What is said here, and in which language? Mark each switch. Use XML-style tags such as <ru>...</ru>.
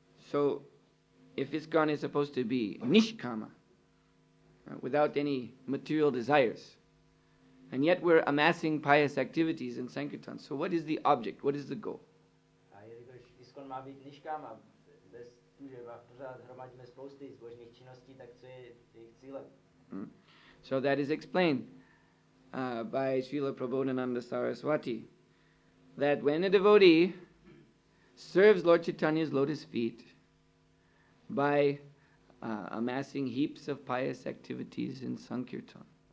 <en>So if ISKCON is supposed to be nishkama, without any material desires, and yet we're amassing pious activities in sankirtan, so what is the object, what is the goal?</en> <cs>A jelikož ISKCON má být nishkama, že pořád hromadíme spousty zbožných činností, tak co je jejich cílem?</cs> <en>So that is explained by Srila Prabodhananda Saraswati, that when a devotee serves Lord Chaitanya's lotus feet by amassing heaps of pious activities in sankirtan,</en>